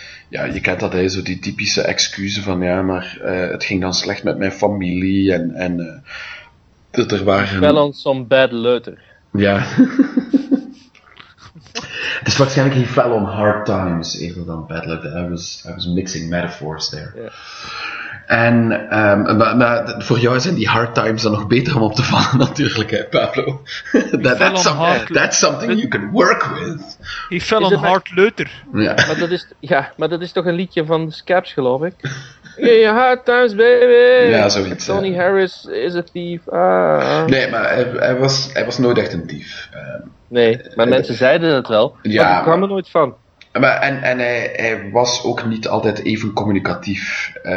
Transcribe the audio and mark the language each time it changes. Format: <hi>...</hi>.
<nl>Je kent dat, hij zo die typische excuses van, ja, maar het ging dan slecht met mijn familie en er waren...</nl> <en>Fell on some bad leuter.</en> <nl>Ja. Het is waarschijnlijk</nl> <en>he fell on hard times,</en> <nl>eerder dan</nl> <en>bad luck. I was mixing metaphors there. Yeah.</en> <nl>En maar voor jou zijn die</nl> <en>hard times</en> <nl>dan nog beter om op te vallen, natuurlijk, hè, Pablo.</nl> <en>That's something you can work with. He fell on hard leuter.</en> <nl>Maar dat is toch een liedje van de Scabs, geloof ik.</nl> <en>In your hard times, baby.</en> <nl>Ja, zoiets.</nl> <en>Tony Harris is a thief.</en> <nl>Nee, maar hij was nooit echt een dief. Mensen zeiden het wel. Ja, maar ik kwam er nooit van. Hij was ook niet altijd even communicatief.</nl>